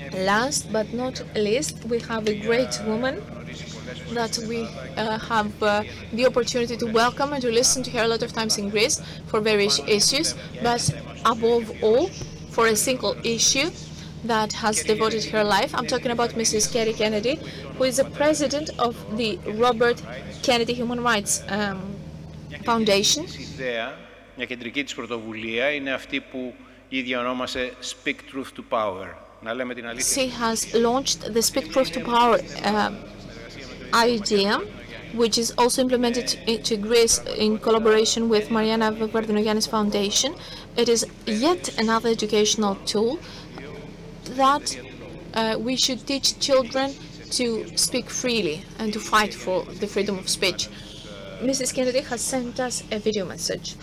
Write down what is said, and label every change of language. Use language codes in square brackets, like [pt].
[en] Last but not least, we have a great woman that we have the opportunity to welcome and to listen to her a lot of times in Greece for various issues, but above all, for a single issue that has devoted her life. I'm talking about Mrs. Kerry Kennedy, who is the president of the Robert Kennedy Human Rights Foundation. [el] Μια κεντρική της πρωτοβουλία είναι αυτή που ήδη ονόμασε Speak Truth to Power. Να λέμε την αλήθεια. [en] She has launched the Speak Truth to Power idea, which is also implemented into Greece in collaboration with Marianna V. Vardinoyannis Foundation. It is yet another educational tool that we should teach children to speak freely and to fight for the freedom of speech. Mrs. Kennedy has sent us a video message.